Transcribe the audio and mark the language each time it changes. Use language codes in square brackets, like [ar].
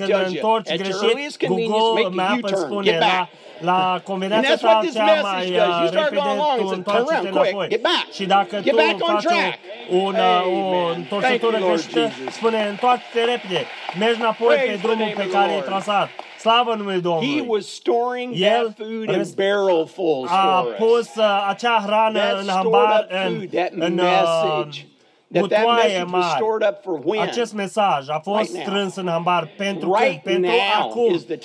[en] tells you, [ro] greșit, Google Map îți spune la conveniența ta cea mai repede, tu întoarce înapoi. Și dacă tu faci o întorsătură greșită, spune întoarce-te repede. Mergi înapoi pe drumul pe care ai trasat. Slavă numele Domnului. [en] He was storing that food in barrel full for us. [ro] A pus acea hrană în hambar, în butoaie mare. Acest mesaj a fost strâns în hambar pentru când? Pentru acum.